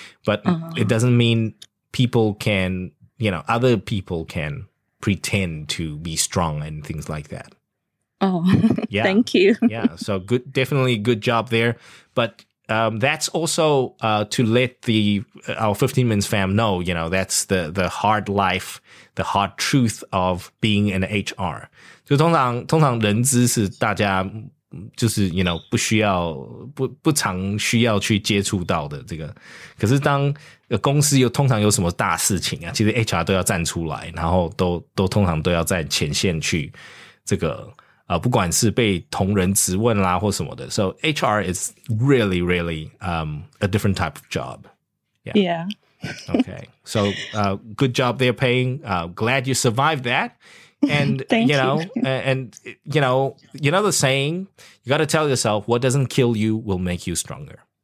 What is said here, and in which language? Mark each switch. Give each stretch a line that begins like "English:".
English: But it doesn't mean people can, you know, other people can pretend to be strong and things like that. Oh, yeah. Thank you. Yeah, so good, definitely good job there. But that's also to let our 15 Minutes fam know, you know, that's the hard life, the hard truth of being an HR.
Chinese: 就是通常人资是大家就是,
English: you know,
Chinese: 不需要去接触到的这个，可是当 公司又通常有什么大事情啊？其实HR都要站出来， 然后都通常都要在前线去这个， 不管是被同仁质问啦， 或什么的。
English: So HR is really, really a different type of job. Yeah. Okay. So good job there, Payne. Glad you survived that. And, you know the saying, you got to tell yourself, what doesn't kill you will make you stronger.